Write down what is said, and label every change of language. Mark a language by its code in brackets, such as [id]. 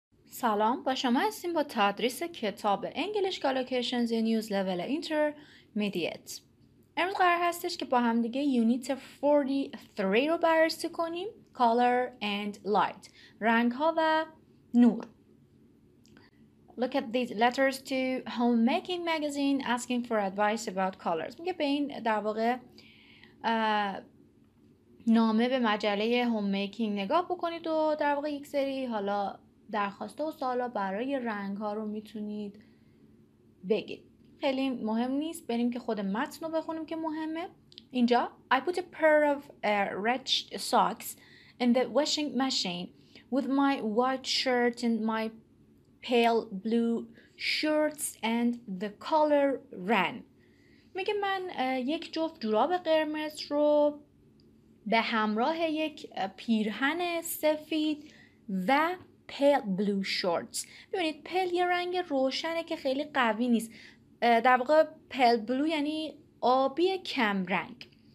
[fa] سلام، با شما هستیم با تدریس کتاب English Collocations in Use Level Intermediate. امروز قرار هستش که با هم دیگه یونیت 43 رو بررسی کنیم، [en] color and light، [fa] رنگ ها و نور. [en] Look at these letters to homemaking magazine asking for advice about colors. [fa] میگه به این در واقع نامه به مجله homemaking نگاه بکنید و در واقع یک سری حالا درخواست و سوالا برای رنگ ها رو میتونید بگید. خیلی مهم نیست، بریم که خود متن رو بخونیم که مهمه. اینجا [en] I put a pair of wretched socks in the washing machine with my white shirt and my pale blue shorts and the color ran. [fa] میگه من یک جفت جوراب قرمز رو به همراه یک پیرهن سفید و [en] pale blue shorts. [fa] ببینید pale یه رنگ روشنه که خیلی قوی نیست. در واقع pale blue یعنی آبی کم رنگ.